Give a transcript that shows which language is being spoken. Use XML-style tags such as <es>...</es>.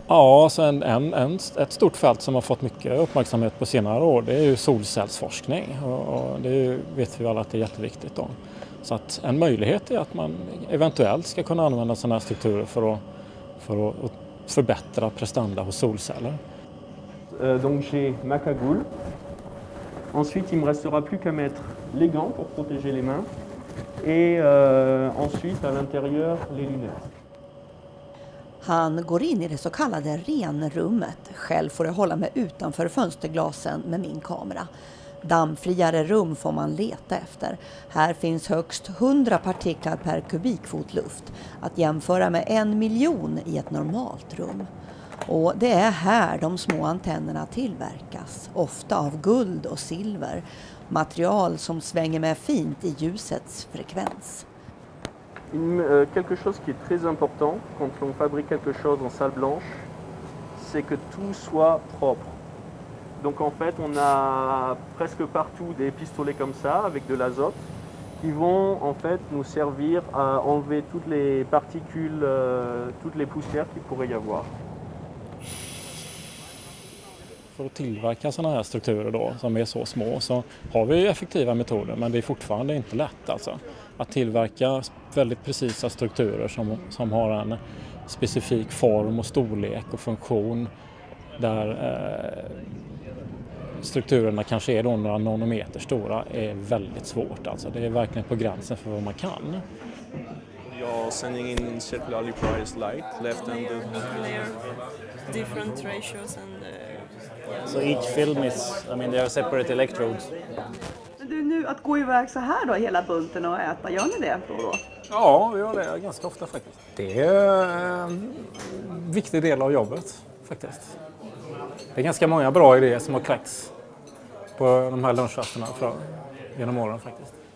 <sv>Ja, så ett stort fält som har fått mycket uppmärksamhet på senare år, det är ju solcellsforskning. Och det är ju, vet vi alla att det är jätteviktigt då. Så att en möjlighet är att man eventuellt ska kunna använda sådana här strukturer för att förbättra prestanda hos solceller.</sv> <fr>Donc j'ai ma cagoule. Ensuite, il me restera plus qu'à mettre les gants pour protéger les mains et ensuite à l'intérieur les lunettes.</fr> <sv>Han går in i det så kallade renrummet. Själv får jag hålla mig utanför fönsterglasen med min kamera. Dammfriare rum får man leta efter. Här finns högst 100 partiklar per kubikfot luft. Att jämföra med 1 miljon i ett normalt rum. Och det är här de små antennerna tillverkas. Ofta av guld och silver. Material som svänger med fint i ljusets frekvens.</sv> <fr>Quelque chose qui est très important quand on fabrique quelque chose en salle blanche, c'est que tout soit propre. Donc en fait, on a presque partout des pistolets comme ça avec de l'azote qui vont en fait nous servir à enlever toutes les particules, toutes les poussières qu'il pourrait y avoir.</fr> <sv>För att tillverka såna här strukturer då, som är så små, så har vi effektiva metoder, men det är fortfarande inte lätt alltså. Att tillverka väldigt precisa strukturer som har en specifik form och storlek och funktion där strukturerna kanske är då några nanometer stora är väldigt svårt. Alltså. Det är verkligen på gränsen för vad man kan. Jag sänder in</sv> <en>circular polarized light, left and the different ratios and so each film is, I mean, they are separate electrodes.</en> <sv>Nu att gå iväg så här då hela bunten och äta, gör ni det då? Ja, vi gör det ganska ofta faktiskt. Det är en viktig del av jobbet faktiskt. Det är ganska många bra idéer som har kläckts på de här lunchrasterna genom åren faktiskt.</sv>